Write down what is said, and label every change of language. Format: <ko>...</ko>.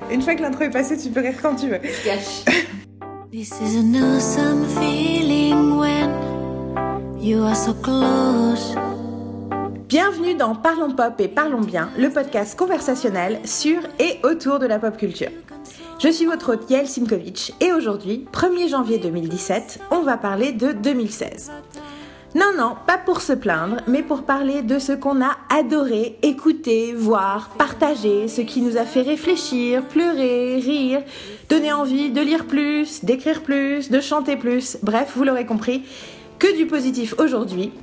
<fr>Une fois que l'intro est passée, tu peux rire quand tu veux.</fr> <en>This is an awesome feeling when you are so close.</en> <fr>Bienvenue dans Parlons Pop et Parlons Bien, le podcast conversationnel sur et autour de la pop culture. Je suis votre hôte Yael Simkovitch et aujourd'hui, 1er janvier 2017, on va parler de 2016. Non, non, pas pour se plaindre, mais pour parler de ce qu'on a adoré, écouté, voir, partagé, ce qui nous a fait réfléchir, pleurer, rire, donner envie de lire plus, d'écrire plus, de chanter plus, bref, vous l'aurez compris, que du positif aujourd'hui.</fr>